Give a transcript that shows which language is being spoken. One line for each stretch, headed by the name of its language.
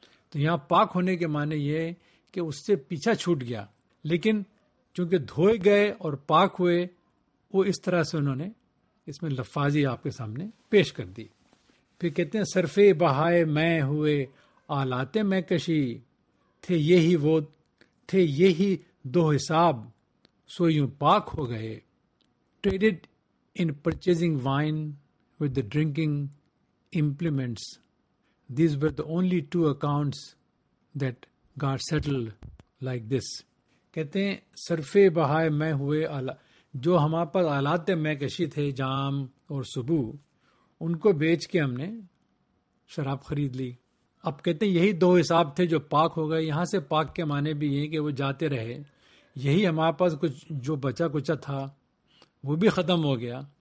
Urdu: تو یہاں پاک ہونے کے معنی یہ کہ اس سے پیچھا چھوٹ گیا, لیکن چونکہ دھوئے گئے اور پاک ہوئے, وہ اس طرح سے انہوں نے اس میں لفاظی آپ کے سامنے پیش کر دی. پھر کہتے ہیں, صرفے بہائے میں ہوئے آلاتے میں کشی, تھے یہی وہ تھے یہی دو حساب, سو یوں پاک ہو گئے.
English: Traded in purchasing wine with the drinking implements, these were the only two accounts that got settle like this.
Urdu: کہتے ہیں, صرفے بہائے میں ہوئے جو ہمارے پاس آلات میں کشی تھے, جام اور سبو, ان کو بیچ کے ہم نے شراب خرید لی. اب کہتے ہیں یہی دو حساب تھے جو پاک ہو گئے. یہاں سے پاک کے معنی بھی یہ کہ وہ جاتے رہے, یہی ہمارے پاس کچھ جو بچا کچا تھا وہ بھی ختم ہو گیا.